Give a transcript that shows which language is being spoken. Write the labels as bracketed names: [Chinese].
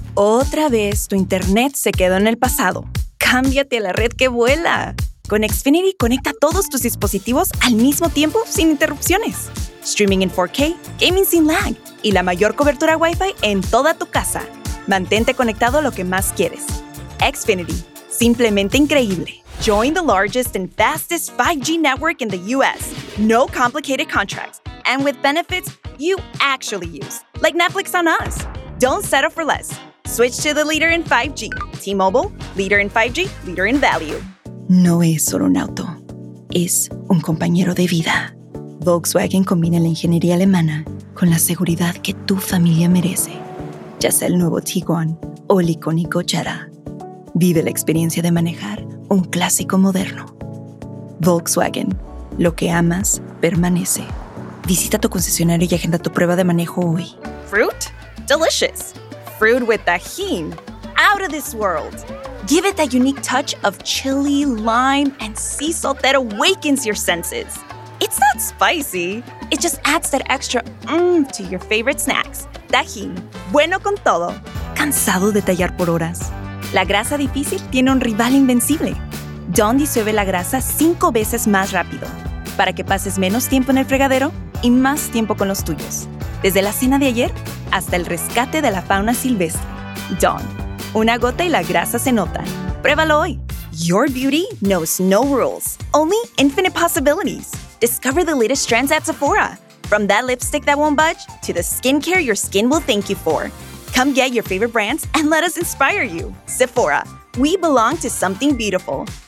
[Spanish] Otra vez tu internet se quedó en el pasado. ¡Cámbiate a la red que vuela! Con Xfinity conecta todos tus dispositivos al mismo tiempo sin interrupciones. Streaming en 4K, gaming sin lag y la mayor cobertura Wi-Fi en toda tu casa. Mantente conectado a lo que más quieres. Xfinity. Simplemente increíble. [English] Join the largest and fastest 5G network in the U.S. No complicated contracts. And with benefits you actually use. Like Netflix on us. Don't settle for less. Switch to the leader in 5G. T-Mobile, leader in 5G, leader in value. [Spanish] No es solo un auto. Es un compañero de vida. Volkswagen combina la ingeniería alemana con la seguridad que tu familia merece. Ya sea el nuevo Tiguan o el icónico Jetta. Vive la experiencia de manejar un clásico moderno. Volkswagen. Lo que amas permanece. Visita tu concesionario y agenda tu prueba de manejo hoy. [English] Fruit? Delicious. Fruit with tajin. Out of this world. Give it that unique touch of chili, lime, and sea salt that awakens your senses. It's not spicy. It just adds that extra to your favorite snacks. [Spanish] Tajin. Bueno con todo. ¿Cansado de tallar por horas? La grasa difícil tiene un rival invencible. Dawn disuelve la grasa 5 veces más rápido para que pases menos tiempo en el fregadero y más tiempo con los tuyos. Desde la cena de ayer hasta el rescate de la fauna silvestre. Dawn. Una gota y la grasa se nota. ¡Pruébalo hoy! [English] Your beauty knows no rules. Only infinite possibilities. Discover the latest trends at Sephora. From that lipstick that won't budge to the skincare your skin will thank you for. Come get your favorite brands and let us inspire you. Sephora, we belong to something beautiful.